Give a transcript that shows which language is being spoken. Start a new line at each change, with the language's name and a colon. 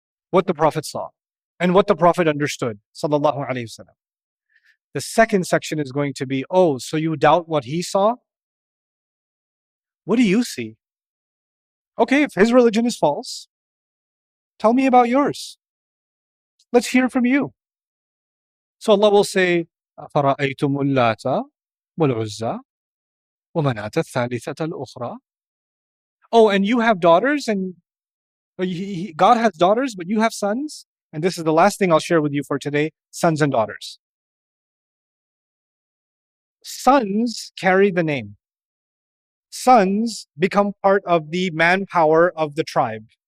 English: What the Prophet saw and what the Prophet understood, sallallahu alayhi wasallam. The second section is going to be, oh, so you doubt what he saw? What do you see? Okay, if his religion is false, tell me about yours. Let's hear from you. So Allah will say,
Arabic: أَفَرَأَيْتُمُ اللَّاتَ وَالْعُزَّى وَمَنَاتَ الثَّالِثَةَ الْأُخْرَى.
English: Oh, and you have daughters, and God has daughters, but you have sons. And this is the last thing I'll share with you for today, sons and daughters. Sons carry the name. Sons become part of the manpower of the tribe.